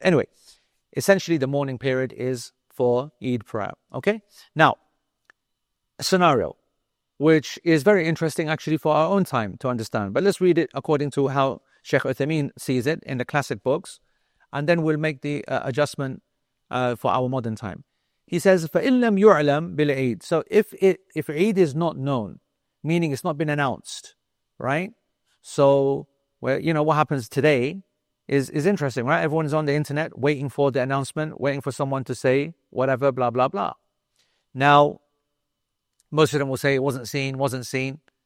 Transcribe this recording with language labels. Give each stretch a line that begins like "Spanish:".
English: Anyway, essentially the morning period is for Eid prayer. Okay? Now, a scenario which is very interesting actually for our own time to understand. But let's read it according to how Sheikh Uthaymeen sees it in the classic books, and then we'll make the adjustment for our modern time. He says,
Arabic: فَإِن لَمْ يُعْلَمْ بِالْعِيدِ.
English: So if Eid is not known, meaning it's not been announced, right? So, well, you know, what happens today is interesting, right? Everyone's on the internet waiting for the announcement, waiting for someone to say whatever, blah, blah, blah. Now, most of them will say it wasn't seen.